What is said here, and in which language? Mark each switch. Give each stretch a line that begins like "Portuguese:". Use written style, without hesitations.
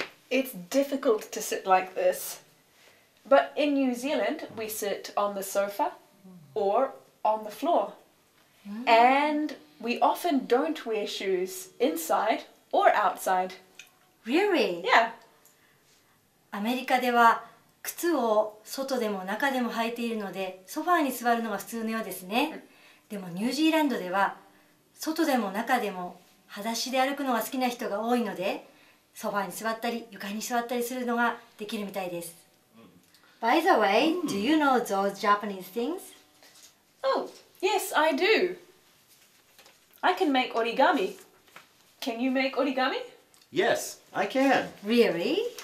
English: It's difficult to sit like this. But in New Zealand, we sit on the sofa or on the floor. And we often don't wear shoes inside or outside. Really? Yeah.
Japanese: アメリカでは靴を外でも中でも履いているので、ソファーに座るのが普通のようですね。でもニュージーランドでは外でも中でも裸足で歩くのが好きな人が多いので、ソファに座ったり、床に座ったりするのができるみたいです。
English: By the way, do you know those Japanese things? Oh, yes, I do. I can make origami. Can you make origami? Yes, I can. Really?